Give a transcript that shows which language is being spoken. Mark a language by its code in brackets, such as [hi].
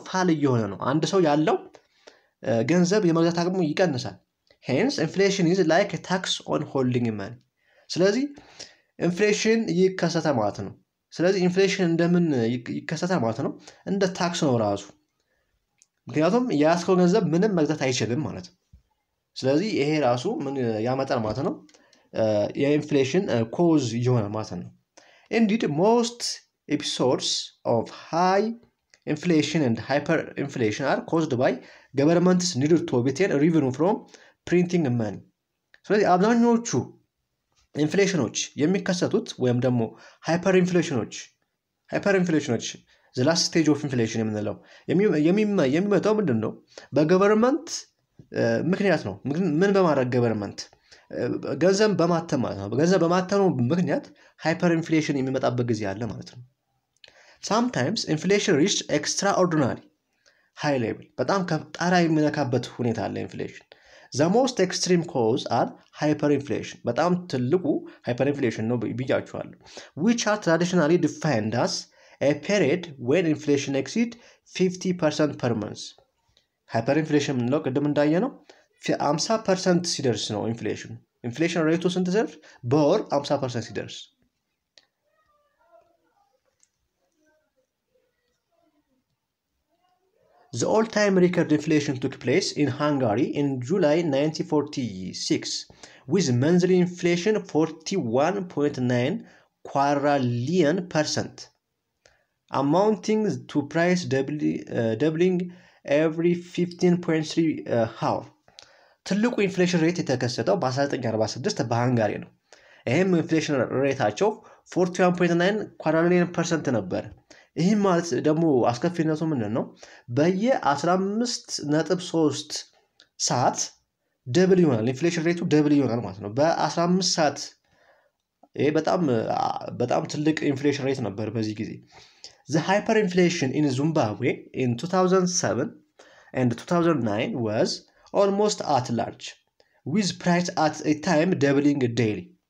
[am] ፋል እየሆነ ነው። አንድ ሰው ያለው ገንዘብ የመግዛት አቅሙ ይቀንሳል። [en] Hence inflation is like a tax on holding money. [am] ስለዚህ ኢንፍሌሽን ይከሰታ ማለት ነው። ስለዚህ ኢንፍሌሽን እንደምን ይከሰታ ማለት ነው? እንደ ታክስ ነው ራሱ። ምክንያቱም ያስከው ገንዘብ ምንም መግዛት አይችልም ማለት ነው። ስለዚህ ይሄ ራሱ ምን ያመጣል ማለት ነው? የኢንፍሌሽን ኮዝ ይሆን ማለት ነው። [en] Indeed most episodes of high inflation and hyperinflation are caused by governments needed to obtain revenue from printing money. [am] ስለዚህ አብዛኞቹ ኢንፍሌሽኖች የሚከሰቱት ወይም ደግሞ ሃይፐርኢንፍሌሽኖች [en] ዘ ላስት ስቴጅ ኦፍ ኢንፍሌሽን [am] የምንለው የሚመጣው ምንድነው በገቨርንመንት ምክንያት ነው ምን በማድረግ ገቨርንመንት ገንዘብ በማተም ማለት ነው ገንዘብ በማተም ምክንያት ሃይፐርኢንፍሌሽን የሚመጣበት ጊዜ አለ ማለት ነው [en] sometimes inflation reaches extraordinary high level [am] በጣም ከጣራ የሚነካበት ሁኔታ አለ ኢንፍሌሽን [en] The most extreme cause are hyperinflation. [am] በጣም ትልቁ hyperinflation ነው ብያችኋለሁ. [en] Which are traditionally defined as a period when inflation exceeds 50% per month. [am] Hyperinflation ምንለው ቅድም እንዳየነው 50% ሲደርስ ነው inflation. Inflation rate ውስጥ እንትዘርፍ በወር 50% ሲደርስ. [en] The all-time record inflation took place in Hungary in July 1946 with monthly inflation 41.9 quadrillion percent. amounting to price doubling every 15.3 half. [am] ትልቁ ኢንፍሌሽን ሬት የተከሰተው በ1946 በሃንጋሪ ነው። ይህም ኢንፍሌሽን ሬታቸው 41.9 ኳርተርሊ ፐርሰንት ነበር። ይህም ማለት ደግሞ አስከፊነቱ ምንድን ነው? በየ 15.3 ሰዓት ደብል ይሆናል። ኢንፍሌሽን ሬቱ ደብል ይሆናል ማለት ነው። በ15 ሰዓት ይሄ በጣም ትልቅ ኢንፍሌሽን ሬት ነበር በዚህ ጊዜ። [en] The hyperinflation in Zimbabwe in 2007 and 2009 was almost at large, with price at a time doubling daily.